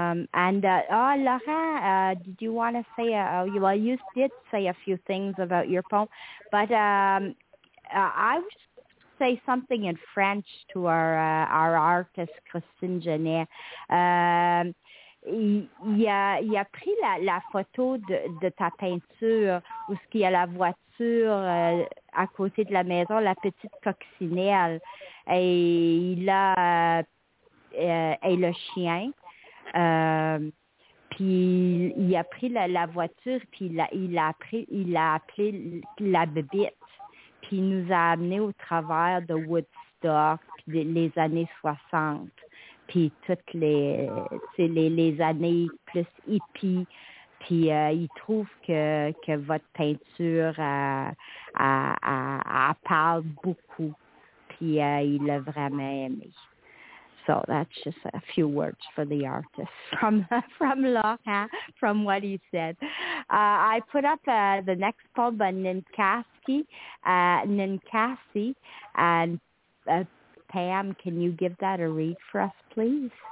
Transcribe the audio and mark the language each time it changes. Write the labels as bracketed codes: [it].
[en] Lorraine, did you want to say, well, you did say a few things about your poem, but I was say something in French to our artist Christine Genet. [fr] Il a pris la photo de ta peinture où ce qu'il y a la voiture à côté de la maison, la petite coccinelle, et il a et le chien. Puis il a pris la voiture, puis il a appelé la bébite. Puis nous a amené au travers de Woodstock, puis les années 60, puis toutes les années plus hippies. Puis il trouve que votre peinture a parle beaucoup. Puis il a vraiment aimé. [en] So that's just a few words for the artist from Lorraine, from what he said. I put up the next poem by Ninkasi, and Pam, can you give that a read for us, please?